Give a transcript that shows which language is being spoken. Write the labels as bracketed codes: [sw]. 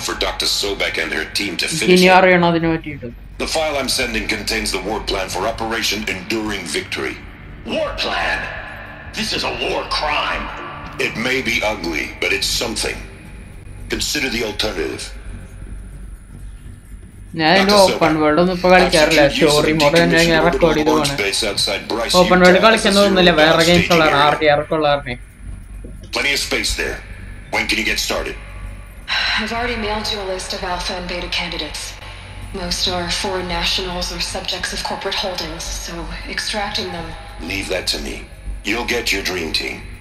[en] For Dr. Sobeck and her team to finish it. The file I'm sending contains the war plan for Operation Enduring Victory. War plan? This is a war crime. It may be ugly, but it's something. Consider the alternative. [ml] Open world കളിക്കുന്നതൊന്നുമില്ല, വേറെ games ഉള്ളതാണ്. R D arc ഉള്ളതാണേ. [en] Plenty of space there. When can you get started? I've already mailed you a list of alpha and beta candidates. Most are foreign nationals or subjects of corporate holdings, so extracting them. Leave that to me. You'll get your dream team.